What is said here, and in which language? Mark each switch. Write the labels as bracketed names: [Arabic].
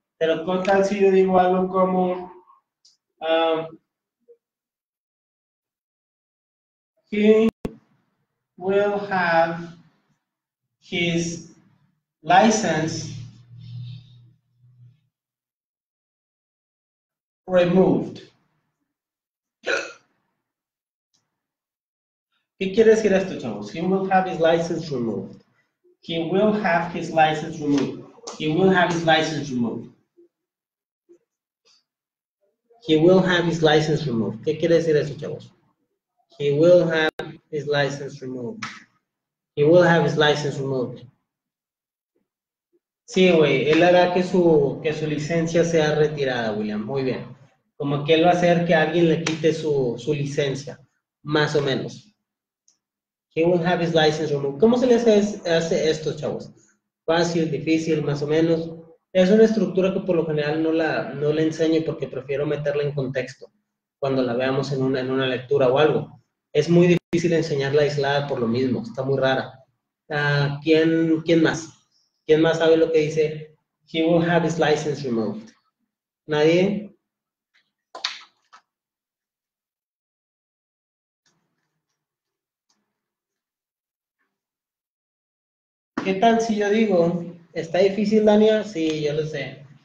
[Spanish] Pero ¿qué tal si yo digo algo como [English] he will have his license removed? [Spanish] ¿Qué quiere decir esto, chavos? [English] He will have his license removed. He will have his license removed. He will have his license removed. He will have his license removed. [Spanish] ¿Qué quiere decir eso, chavos? [English] He will have his license removed. He will have his license removed. [Spanish] Sí, güey, él hará que su licencia sea retirada, William. Muy bien. Como que él va a hacer que alguien le quite su licencia, más o menos. [English] He will have his license removed. [Spanish] ¿Cómo se les hace esto, chavos? Fácil, difícil, más o menos. Es una estructura que por lo general no la enseño porque prefiero meterla en contexto cuando la veamos en una lectura o algo. Es muy difícil enseñarla aislada por lo mismo, está muy rara. ¿Quién más? ¿Quién más sabe lo que dice? [English] He will have his license removed. [Spanish] ¿Nadie? ¿Qué tal si yo digo? ¿Está difícil, Dania? Sí, yo lo sé.